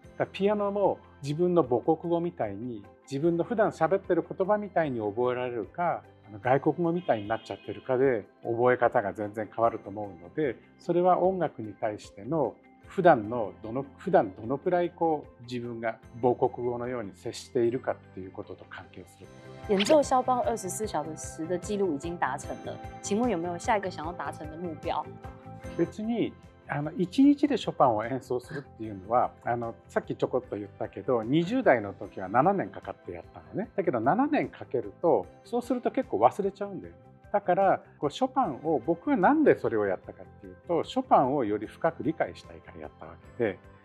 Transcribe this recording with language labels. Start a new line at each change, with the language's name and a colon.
Japanese: だピアノも自分の母国語みたいに自分の普段喋ってる言葉みたいに覚えられるか、外国語みたいになっちゃってるかで覚え方が全然変わると思うので、それは音楽に対しての普段どのくらいこう自分が母国語のように接しているかっていうことと関係する。
Chinese: 演奏肖邦24小時10的記録已經達成了，請問有沒有下一個想要達成的目標？
Japanese: 別にあの1日でショパンを演奏するっていうのはあのさっきちょこっと言ったけど、20代の時は7年かかってやったのね。だけど7年かけるとそうすると結構忘れちゃうんだよ。だからこうショパンを、僕はなんでそれをやったかっていうと、ショパンをより深く理解したいからやったわけで、